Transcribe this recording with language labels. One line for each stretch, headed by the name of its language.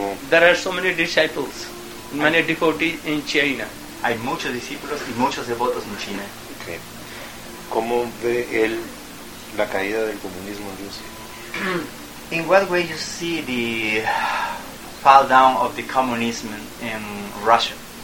English: There are so many disciples, many devotees in China.
Spanish: Hay muchos discípulos y muchos devotos en China.
English: Okay.
Spanish: ¿Cómo ve él la caída del comunismo en Rusia?
English: In what way you see the fall down of the communism in Russia?